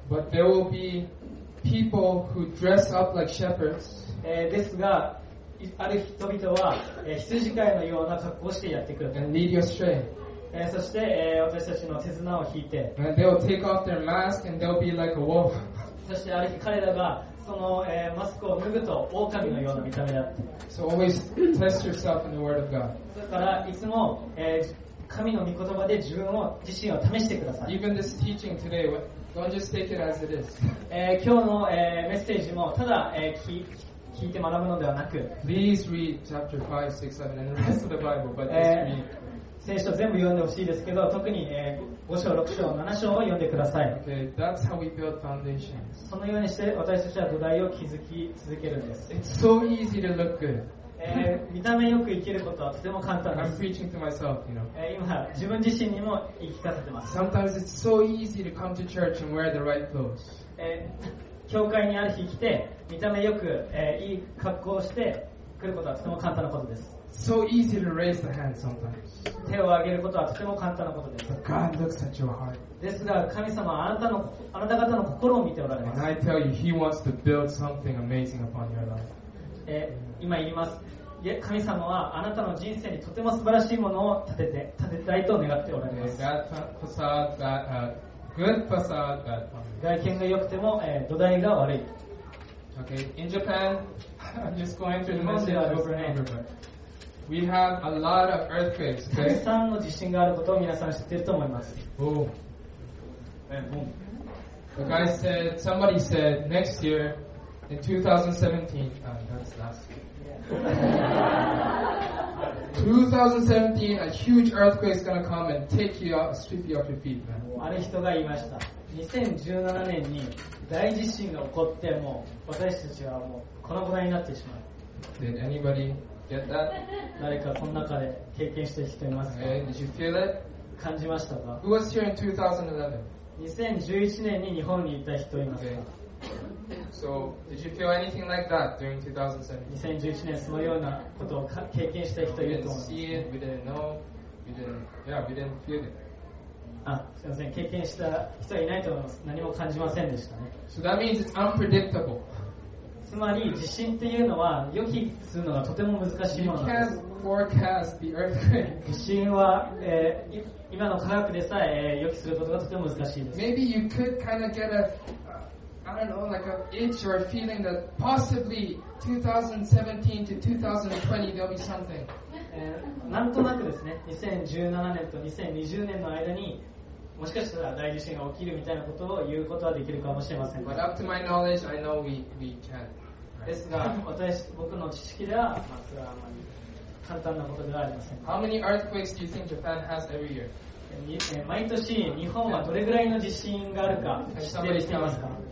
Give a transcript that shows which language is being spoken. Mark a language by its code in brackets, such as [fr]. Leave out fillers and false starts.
[en] But there will be people who dress up like shepherds. [ja] ですが、ある人々は羊飼いのような格好をしてやってくる。 [en] And lead you astray. [ja] そして、私たちの手綱を引いて、 [en] and they'll take off their mask and they'll be like a wolf. [ja] そしてある日彼らがその、マスクを脱ぐと狼のような見た目だった。 [en] So always test yourself in the word of God. [ja] だからいつも、神の御言葉で自分を自身を試してください。 [en] Even this teaching today, don't just take it as it is. [ja] 今日の、メッセージもただ、聞いて学ぶのではなく、 [en] Please read chapter 5, 6, 7 and the rest of the Bible, but just read. [ja] 聖書全部読んでほしいですけど、特に、5章、6章、7章を読んでください。 [en] Okay, that's how we build foundations. [ja] そのようにして私たちは土台を築き続けるんです。 [en] It's so easy to look good. [ja] 見た目よく生きることはとても簡単です。 [en] I'm preaching to myself, you know. [ja] 今、自分自身にも言い聞かせてます。 [en] Sometimes it's so easy to come to church and wear the right clothes. [ja] 教会にある日来て、見た目よく、いい格好をして来ることはとても簡単なことです。 [en] So easy to raise the hand sometimes. [ja] 手を挙げることはとても簡単なことです。 [en] But God looks at your heart. [ja] ですが、神様はあなた方の心を見ておられます。 [en] And I tell you, He wants to build something amazing upon your life. [ja] 今言います。神様はあなたの人生にとても素晴らしいものを建てたいと願っておられます。 [en] That facade, that, good facade, bad foundation. [ja] 外見が良くても、土台が悪い。 [en] Okay, in Japan, I'm just going through the message over and over, but we have a lot of earthquakes. [ja] たくさんの地震があることを皆さん知っていると思います。 [en] Oh, and boom. The guy said, somebody said, next year, in 2017, that's last year. 2017, a huge earthquake is going to come and take you out, sweep you off your feet, man. [ja] ある人が言いました。 2017年に大地震が起こって、もう私たちはもうこの子になってしまう。 [en] Did anybody get that? [ja] 誰かこの中で経験してきていますか？ [en] Okay, did you feel it? [ja] 感じましたか？ [en] Who was here in 2011? [ja] 2011年に日本にいた人いますか？ [en] Okay. So, did you feel anything like that during 2017? [ja] 2011年そのようなことを経験した人いると思います。 [en] We didn't see it, we didn't know, we didn't, yeah, we didn't feel it. [ja] すみません、経験した人はいないと思います。何も感じませんでしたね。 [en] So that means it's unpredictable. [ja] つまり地震っていうのは予期するのがとても難しいものなんです。 [en] You can't forecast the earthquake. [ja] 地震は、今の科学でさえ、予期することがとても難しいです。 [en] Maybe you could kind of get a, I don't know, like an itch or a feeling that possibly 2017 to 2020 there'll be something. [ja] なんとなくですね、2017年と2020年の間にもしかしたら大地震が起きるみたいなことを言うことはできるかもしれません。 [en] But up to my knowledge, I know we can. [ja] ですが、私、僕の知識では、まあ、それはあまり簡単なことではありません。 [en] How many earthquakes do you think Japan has every year? [ja] 毎年日本はどれぐらいの地震があるか知ってる人いますか？